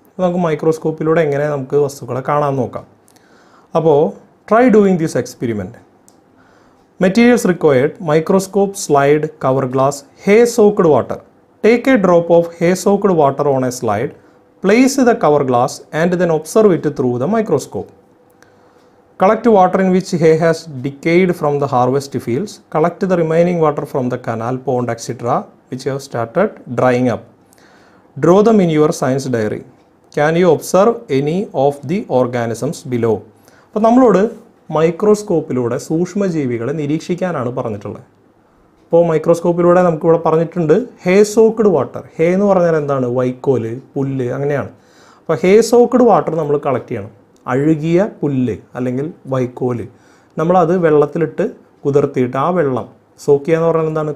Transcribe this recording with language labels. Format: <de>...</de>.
<ml>നമുക്ക് മൈക്രോസ്കോപ്പിലൂടെ എങ്ങനെ നമുക്ക് വസ്തുക്കളെ കാണാൻ നോക്കാം. അപ്പോൾ</ml> <en>Try doing this experiment. Materials required: microscope, slide, cover glass, hay soaked water. Take a drop of hay soaked water on a slide, place the cover glass and then observe it through the microscope. Collect water in which hay has decayed from the harvest fields. Collect the remaining water from the canal, pond, etc. which have started drying up. Draw them in your science diary. Can you observe any of the organisms below?</en> <ml>അപ്പോൾ നമ്മളോട് മൈക്രോസ്കോപ്പിലൂടെ സൂക്ഷ്മജീവികളെ നിരീക്ഷിക്കാനാണ് പറഞ്ഞിട്ടുള്ളത്. അപ്പോൾ മൈക്രോസ്കോപ്പിലൂടെ നമുക്കിവിടെ പറഞ്ഞിട്ടുണ്ട് ഹേ soaked water. ഹേ എന്ന് പറഞ്ഞാൽ എന്താണ്? വൈക്കോല്, പുല്ല്, അങ്ങനെയാണ്. അപ്പോൾ ഹേ സോക്ക്ഡ് വാട്ടർ നമ്മൾ കളക്ട് ചെയ്യണം. അഴുകിയ പുല്ല് അല്ലെങ്കിൽ വൈക്കോല് നമ്മളത് വെള്ളത്തിലിട്ട് കുതിർത്തിയിട്ട് ആ വെള്ളം സോക്കിയ എന്ന് പറഞ്ഞാൽ എന്താണ്?</ml>